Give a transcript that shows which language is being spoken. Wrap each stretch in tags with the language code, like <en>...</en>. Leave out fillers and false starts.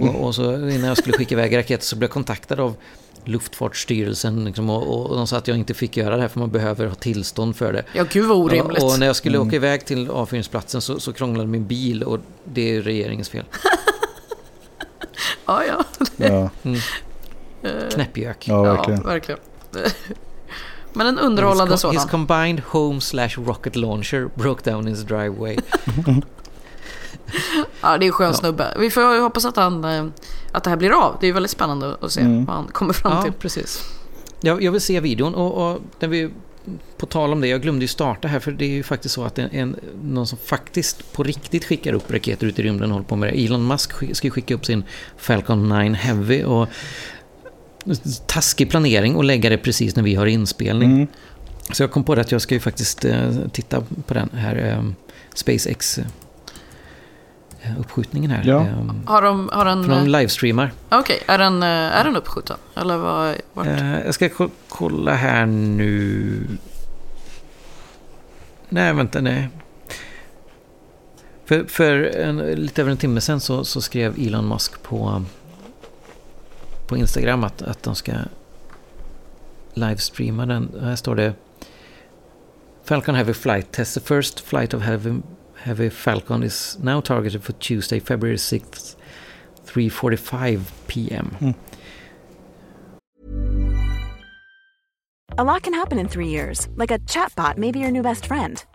<sv>Och så innan jag skulle skicka iväg raketen så blev jag kontaktad av Luftfartsstyrelsen liksom, och de sa att jag inte fick göra det här för man behöver ha tillstånd för det. Ja, gud vad orimligt. Och när jag skulle åka iväg till avfyrningsplatsen så krånglade min bil, och det är regeringens fel. Ja. Knäppjök. Ja, verkligen. Ja, verkligen. Men en underhållande sådan.</sv> <en>His combined home/rocket launcher broke down in his driveway.</en> <sv>Ja, det är en skön snubbe. Vi får hoppas att att det här blir av. Det är väldigt spännande att se vad han kommer fram till. Ja, precis. Jag vill se videon. Och när vi, på tal om det, jag glömde ju starta här, för det är ju faktiskt så att någon som faktiskt på riktigt skickar upp raketer ut i rymden och håller på med det. Elon Musk ska skicka upp sin Falcon 9 Heavy, och taskig planering och lägga det precis när vi har inspelning. Mm. Så jag kom på det att jag ska ju faktiskt titta på den här SpaceX uppskjutningen här. Ja. Har de livestreamar. Okej, okay. Är den uppskjuten? Eller vart? Jag ska kolla här nu. Nej, vänta, nej. För en, lite över en timme sen så skrev Elon Musk på Instagram att de ska livestreama den. Här står det: Falcon Heavy flight test.</sv> <en>The first flight of Heavy Falcon is now targeted for Tuesday, February 6th, 3:45 p.m. A lot can happen in 3 years, like a chatbot may be your new best friend.</en>